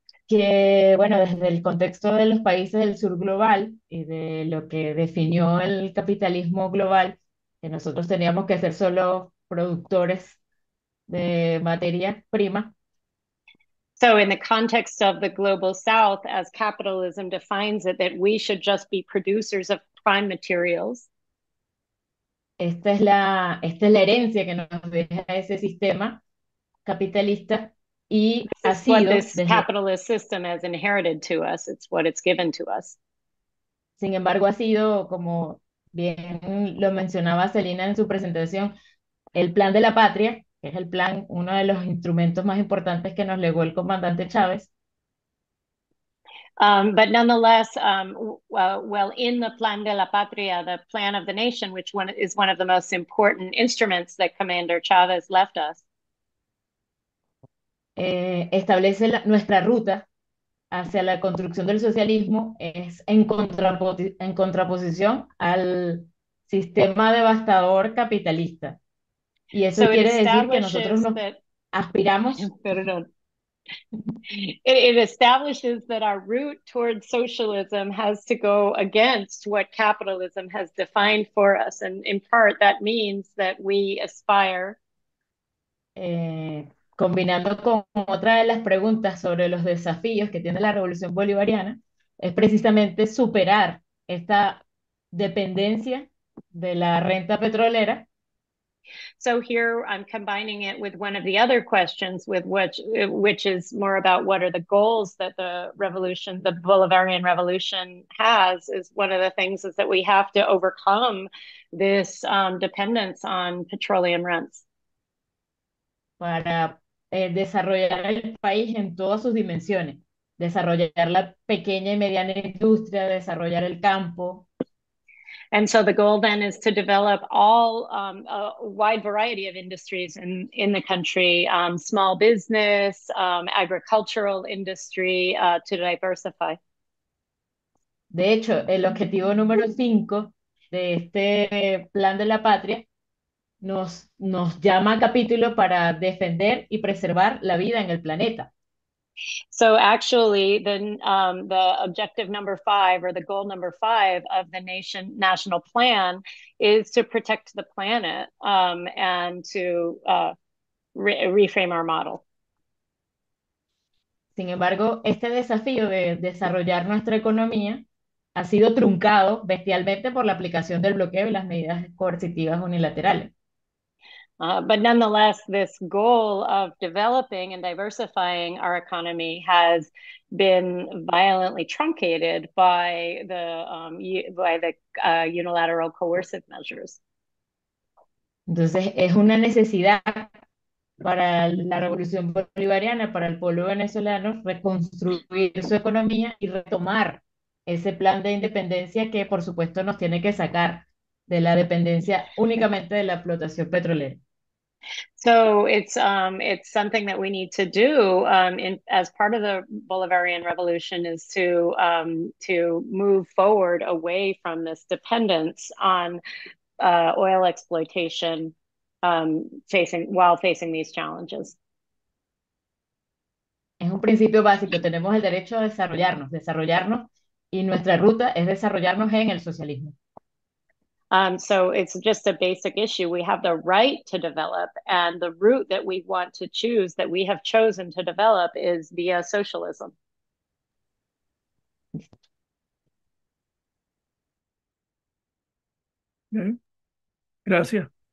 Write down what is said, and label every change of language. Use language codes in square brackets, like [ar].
[es] Que bueno, desde el contexto de los países del sur global y de lo que definió el capitalismo global, que nosotros teníamos que ser solo productores de materia prima. [en] So in the context of the global south, as capitalism defines it, that we should just be producers of prime materials. [es] Esta es la herencia que nos deja ese sistema capitalista, y ha sido [en] what this desde capitalist system has inherited to us. It's what it's given to us. [es] Sin embargo, ha sido, como bien lo mencionaba Celina en su presentación, el plan de la patria, que es el plan, uno de los instrumentos más importantes que nos legó el comandante Chávez. [en] But nonetheless, in the plan de la patria, the plan of the nation, which is one of the most important instruments that Commander Chávez left us, [es] establece nuestra ruta hacia la construcción del socialismo es en contraposición al sistema devastador capitalista. Y eso [en] so [es] quiere decir que nosotros nos aspiramos. Perdón. [en] It establishes that our route towards socialism has to go against what capitalism has defined for us. And in part, that means that we aspire. [es] Combinando con otra de las preguntas sobre los desafíos que tiene la Revolución Bolivariana, es precisamente superar esta dependencia de la renta petrolera. [en] So here I'm combining it with one of the other questions, with which is more about what are the goals that the revolution, the Bolivarian Revolution has, is one of the things is that we have to overcome this dependence on petroleum rents. [es] Para desarrollar el país en todas sus dimensiones, desarrollar la pequeña y mediana industria, desarrollar el campo. [en] And so the goal then is to develop all a wide variety of industries in the country, small business, agricultural industry, to diversify. [es] De hecho, el objetivo número 5 de este plan de la patria nos llama a capítulo para defender y preservar la vida en el planeta. [en] So actually, the objective number 5, or the goal number 5 of the national plan, is to protect the planet, and to reframe our model. [es] Sin embargo, este desafío de desarrollar nuestra economía ha sido truncado bestialmente por la aplicación del bloqueo y las medidas coercitivas unilaterales. [en] But nonetheless, this goal of developing and diversifying our economy has been violently truncated by the unilateral coercive measures. [es] Entonces, es una necesidad para la revolución bolivariana, para el pueblo venezolano, reconstruir su economía y retomar ese plan de independencia que, por supuesto, nos tiene que sacar de la dependencia únicamente de la explotación petrolera. [en] So it's something that we need to do as part of the Bolivarian Revolution is to move forward away from this dependence on oil exploitation while facing these challenges. [es] Es un principio básico. Tenemos el derecho a desarrollarnos y nuestra ruta es desarrollarnos en el socialismo. [en] So it's just a basic issue. We have the right to develop, and the route that we want to choose, that we have chosen to develop, is via socialism. [es] Okay. Gracias.